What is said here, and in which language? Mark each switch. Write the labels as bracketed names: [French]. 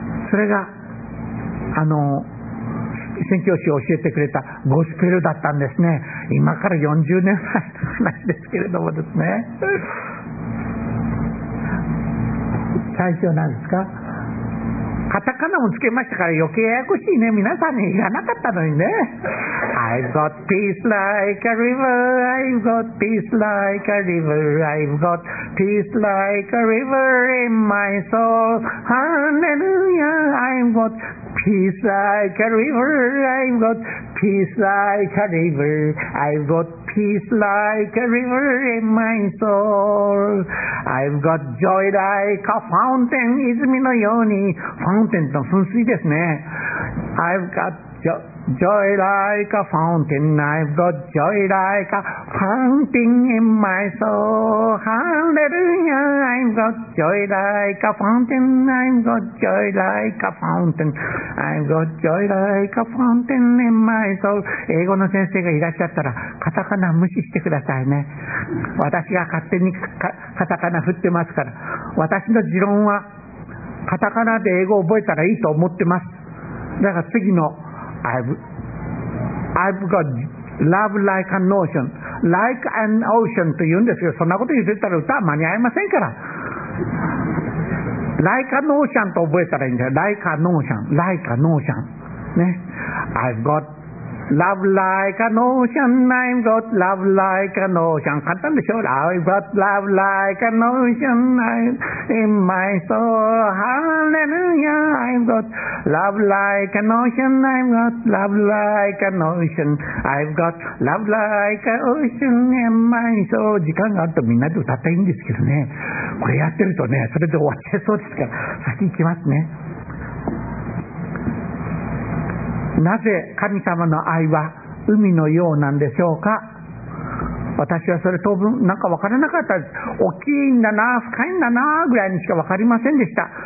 [Japanese] それが宣教師を教えてくれたゴスペルだったんですね。今から40年前の話ですけれどもですね。最初なんですか、カタカナもつけましたから余計ややこしいね。皆さんに言わなかったのにね。 [English] I've got peace like a river, I've got peace like a river, I've got peace like a river in my soul. Hallelujah, I've got peace like a river, I've got peace like a river, I've got peace like a river in my soul. I've got joy like a fountain, [Japanese] 泉のように。 fountain の噴水ですね。 [English] I've got joy like a fountain, I've got joy like a fountain in my soul. Hallelujah, I've got joy like a fountain, I've got joy like a fountain, I've got joy like a fountain in my soul. [Japanese] 英語の先生がいらっしゃったらカタカナ無視してくださいね。私が勝手にカタカナ振ってますから。私の持論はカタカナで英語を覚えたらいいと思ってます。だから次の [English] I've got love like an ocean, [Japanese] like an ocean と言うんですよ。そんなこと言ってたら歌は間に合いませんから。 [English] like an ocean [Japanese] と覚えたらいいんだよ。 [English] like an ocean, like an ocean ね。 I've got love like an ocean, I've got love like an ocean。 [Japanese] 簡単でしょ。 [English] I've got love like an ocean in my soul. Hallelujah, I've got love like an ocean, I've got love like an ocean, I've got love like an ocean in my soul. [Japanese] 時間があるとみんなで歌っていいんですけどね。これやってるとね、それで終わっちゃいそうですから、先行きますね。なぜ神様の愛は海のようなんでしょうか。私はそれ当分なんか分からなかったです。大きいんだな、深いんだなぐらいにしか分かりませんでした。